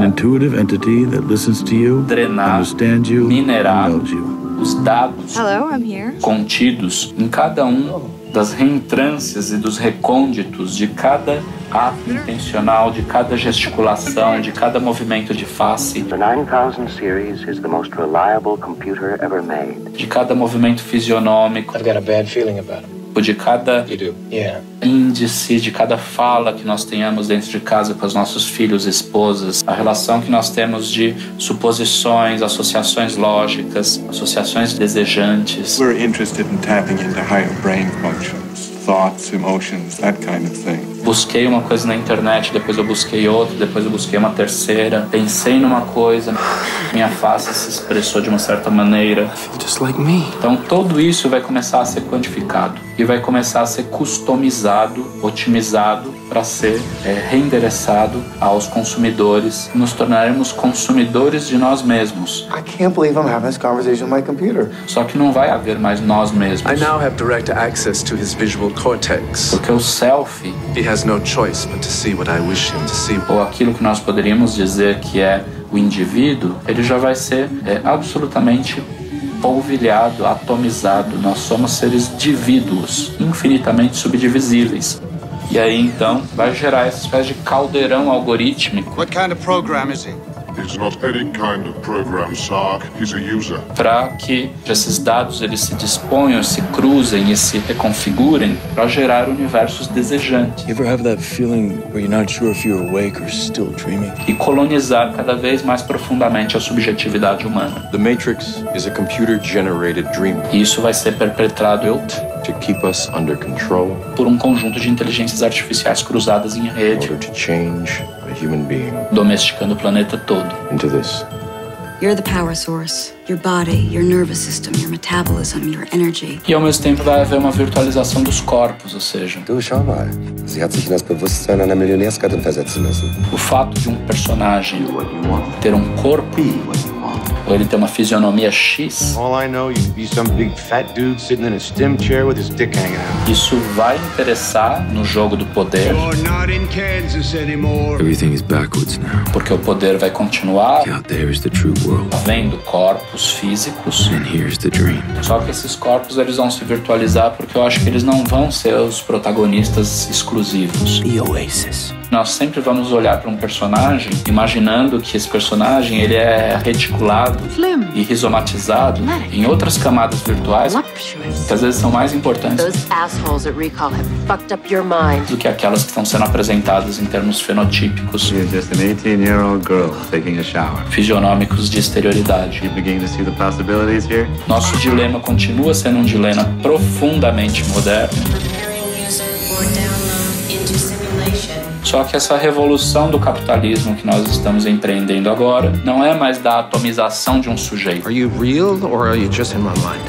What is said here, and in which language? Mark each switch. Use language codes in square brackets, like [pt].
[en] an intuitive entity that listens to you, [pt] drenar, [en] understand you, [pt] minerar [en] and you. [pt] Os dados. [en] Hello, I'm here. [pt] Contidos em cada um das reentrâncias e dos recônditos de cada ato intencional, de cada gesticulação, de cada movimento de face. [en] The 9000 series is the most reliable computer ever made. [pt] De cada movimento fisionômico. [en] I've got a bad feeling about it. [pt] De cada [en] yeah. [pt] índice, de cada fala que nós tenhamos dentro de casa com os nossos filhos, esposas, a relação que nós temos de suposições, associações lógicas, associações desejantes. [en] We're interested in tapping into higher brain functions, thoughts, emotions, that kind of thing. [pt] Busquei uma coisa na internet, depois eu busquei outra, depois eu busquei uma terceira, pensei numa coisa, minha face se expressou de uma certa maneira. [en] I feel just like me. [pt] Então tudo isso vai começar a ser quantificado e vai começar a ser customizado, otimizado para ser reendereçado aos consumidores. Nos tornaremos consumidores de nós mesmos. [en] I can't believe I'm having this conversation with my computer. [pt] Só que não vai haver mais nós mesmos. [en] I now have direct access to his visual cortex. [pt] Porque o selfie, [en] he has no choice but to see what I wish him to see. [pt] Ou aquilo que nós poderíamos dizer que é o indivíduo, ele já vai ser absolutamente polvilhado, atomizado. Nós somos seres divíduos, infinitamente subdivisíveis. E aí então vai gerar essa espécie de caldeirão algorítmico. [en] What kind of program is he? It's not any kind of program, Sark. He's a user. [pt] Para que esses dados eles se disponham, se cruzem e se reconfigurem para gerar universos desejantes. [en] You ever have that feeling where you're not sure if you're awake or still dreaming? [pt] E colonizar cada vez mais profundamente a subjetividade humana. [en] The Matrix is a computer-generated dream. [pt] E isso vai ser perpetrado [en] to keep us under control. [pt] Por um conjunto de inteligências artificiais cruzadas em rede. [en] In order to change a human being. [pt] Domesticando o planeta todo. [en] Into this. You're the power source. Your body, your nervous system, your metabolism, your energy. [pt] E ao mesmo tempo vai haver uma virtualização dos corpos, ou seja. [de] Du, schau mal. Sie hat sich in das Bewusstsein einer Millionärsgattin versetzen lassen. [pt] O fato de um personagem ter um corpo. [en] Be what you want. [pt] Ou ele ter uma fisionomia X. [en] All I know, you'd be some big fat dude sitting in a stem chair with his dick hanging out. [pt] Isso vai interessar no jogo do poder. [en] You're not in Kansas anymore. Everything is backwards now. [pt] Porque o poder vai continuar. [en] Look out there is the true world. [pt] Vendo corpos físicos. [en] And here's the dream. [pt] Só que esses corpos eles vão se virtualizar porque eu acho que eles não vão ser os protagonistas exclusivos. [en] The Oasis. [pt] Nós sempre vamos olhar para um personagem imaginando que esse personagem ele é reticulado Flim. E rizomatizado Flim. Em outras camadas virtuais Luxuous. Que às vezes são mais importantes [en] Those assholes at recall have fucked up your mind. [pt] Do que aquelas que estão sendo apresentadas em termos fenotípicos [en] You're just an 18-year-old girl taking a shower. [pt] Fisionômicos de exterioridade. [en] You begin to see the possibilities here? [pt] Nosso dilema continua sendo um dilema profundamente moderno. Só que essa revolução do capitalismo que nós estamos empreendendo agora não é mais da atomização de um sujeito. [en] Are you real or are you just in my mind?